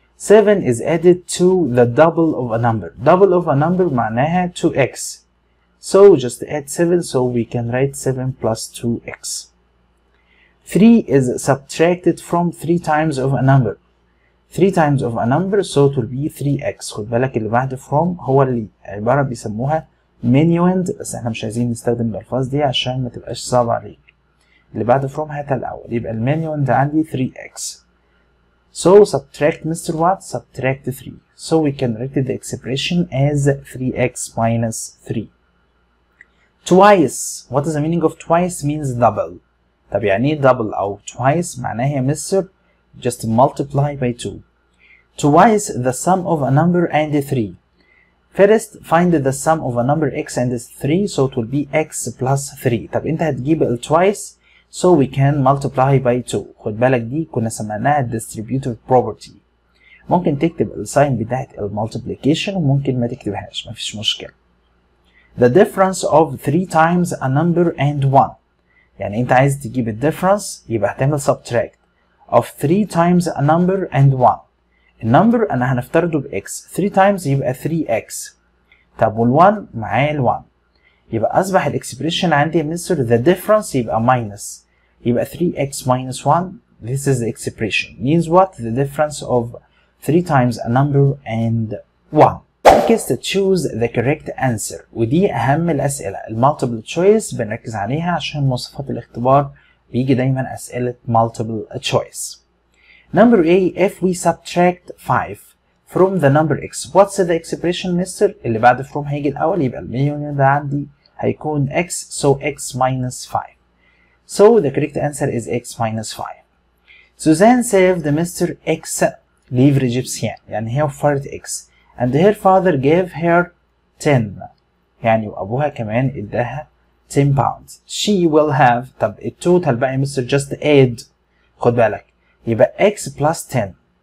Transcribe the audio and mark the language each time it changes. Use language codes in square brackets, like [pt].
[en] 7 is added to the double of a number. Double of a number معناها 2x. So just add 7, so we can write 7 plus 2x. 3 is subtracted from 3 times of a number. 3 times of a number, so it will be 3x. [ar] خد بالك اللي بعد from هو اللي عبارة بيسموها minuend. بس احنا مش عايزين نستخدم الألفاظ دي عشان ما تبقاش صعبة عليك. اللي بعد from هات الأول. يبقى المنيوند عندي 3x. [en] So subtract Mr. what? Subtract 3. So we can write the expression as 3x minus 3. Twice. What is the meaning of twice? Means double. [ar] طب يعني double أو twice معناها Mr. [en] just multiply by 2. Twice the sum of a number and 3. First, find the sum of a number x and 3. So it will be x plus 3. [ar] طب انت هتجيب ال twice. [en] So we can multiply by 2. [ar] خد بالك دي كنا سمعناها distributive property. ممكن تكتب السين بتاعت المultiplication وممكن ما تكتبهاش. ما فيش مشكلة. [en] The difference of 3 times a number and 1. [ar] يعني انت عايز تجيب ال difference يبقى هتعمل subtract. [en] Of 3 times a number and 1. [ar] النمبر انا هنفترضه بx. 3 times يبقى 3x. طب وال1 معايا ال1. يبقى أصبح الإكسبريشن عندي مستر the difference يبقى minus. [en] يبقى 3x minus 1. This is the expression. Means what? The difference of 3 times a number and 1. Next, choose the correct answer. [ar] ودي أهم الأسئلة. Multiple choice بنركز عليها عشان مواصفات الاختبار بيجي دايما أسئلة multiple choice. [en] Number A, if we subtract 5 from the number x, what's the expression, mister? [ar] اللي بعد from هيجي الأول يبقى المليون ده عندي هيكون x, [en] so x minus 5. So the correct answer is x minus 5. Suzanne saved Mr. X leave Egyptian, [ar] يعني هي وفرت x. [en] And her father gave her 10, [ar] يعني وأبوها كمان إداها 10 pounds. [en] She will have, [ar] طب التوتال بقى مستر just add, خد بالك, يبقى [en] x plus 10.